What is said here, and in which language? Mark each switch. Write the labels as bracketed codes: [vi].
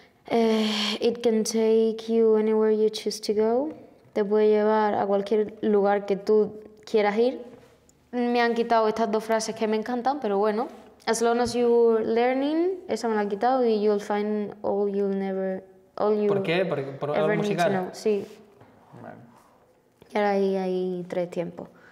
[en] It can take you anywhere you choose to go. [es] Te puede llevar a cualquier lugar que tú quieras ir. Me han quitado estas dos frases que me encantan, pero bueno. [en] As long as you're learning, [es] esa me la han quitado, y [en] you'll find all you'll never... All you [es] ¿por qué? ¿Por algo musical? Sí. Vale. Y ahora hay tres tiempos.